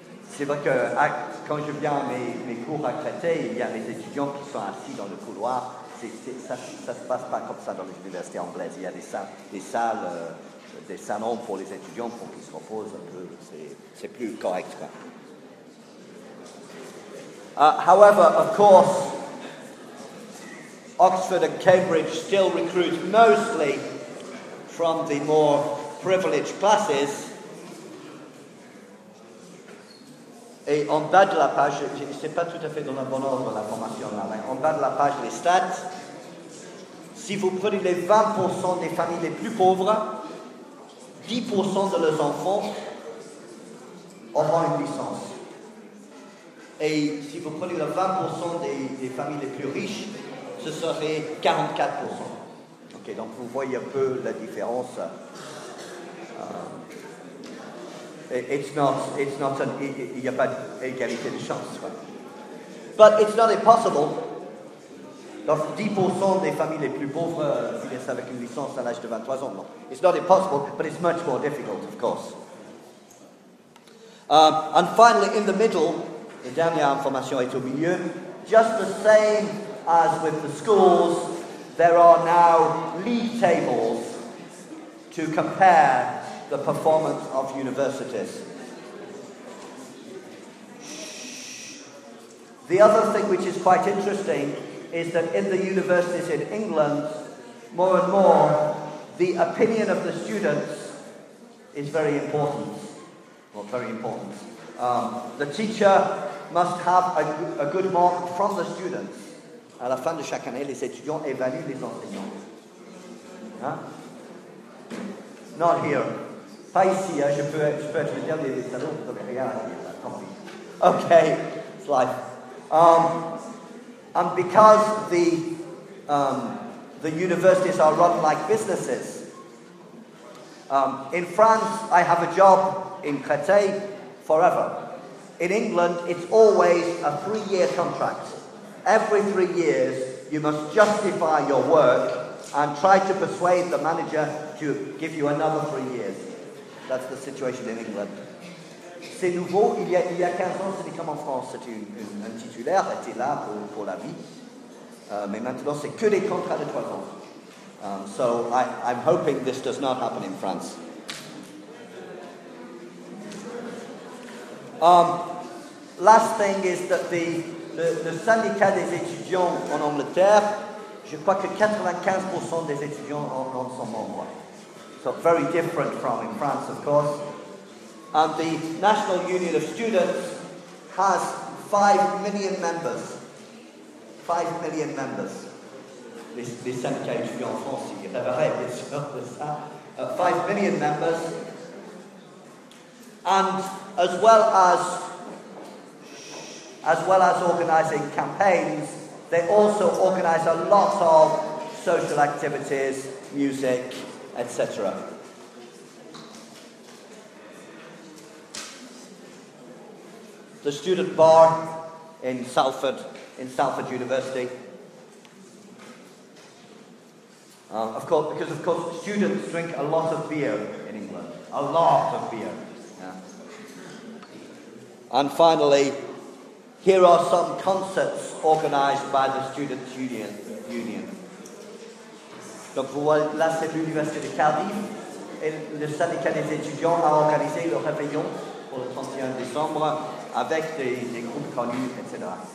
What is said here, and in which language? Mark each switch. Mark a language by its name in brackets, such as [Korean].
[French] C'est vrai que quand je viens à mes cours à Créteil, il y a mes étudiants qui sont assis dans le couloir. Ça se passe pas comme ça dans les universités anglaises. Il y a des salons pour les étudiants pour qu'ils se reposent un peu. C'est plus correct, quoi. [English] However, of course, Oxford and Cambridge still recruit mostly from the more privileged classes. [French] Et en bas de la page, c'est pas tout à fait dans le bon ordre l'information là, mais en bas de la page, les stats. Si vous prenez les 20% des familles les plus pauvres, 10% de leurs enfants auront une licence. Et si vous prenez le 20% des familles les plus riches, ce serait 44%. Ok, donc vous voyez un peu la différence. Il n'y a pas d'égalité de chance. Quoi. [English] But it's not impossible. [French] Donc 10% des familles les plus pauvres finissent avec une licence à l'âge de 23 ans. Non. [English] It's not impossible, but it's much more difficult, of course. And finally, in the middle, [French] la dernière information est au milieu. [English] Just the same as with the schools, there are now league tables to compare the performance of universities. The other thing which is quite interesting is that in the universities in England, more and more, the opinion of the students is very important. Well, very important. The teacher must have a good mark from the students. [French] À la fin de chaque année, les étudiants évaluent les enseignants. Hein? [English] Not here. [French] Pas ici, hein? Je peux être le dernier des salons, vous n'avez rien à dire, tant pis. [English] Okay, it's life. And because the universities are run like businesses, in France, I have a job in Créteil forever. In England, it's always a 3-year contract. Every 3 years, you must justify your work and try to persuade the manager to give you another 3 years. That's the situation in England. [French] C'est nouveau. Il y a 15 ans, c'était comme en France. C'était un titulaire, était là pour la vie. Mais maintenant, c'est que des contrats de 3 ans. [English] So I'm hoping this does not happen in France. Last thing is that the [French] syndicat des étudiants en Angleterre, je crois que 95% des étudiants en France sont membres. [English] So very different from in France, of course. And the National Union of Students has 5 million members. 5 million members. [French] Les syndicats étudiants en France, ils rêveraient bien sûr de ça. [English] 5 million members. And as well as organizing campaigns, they also organize a lot of social activities, music, etc. The student bar in Salford University. Of course, students drink a lot of beer in England. A lot of beer. And finally, here are some concerts organised by the Students' Union. [French] Donc vous voyez, là c'est l'Université de Cardiff. Et le syndicat des étudiants a organisé le réveillon pour le 31 décembre avec des groupes connus, etc.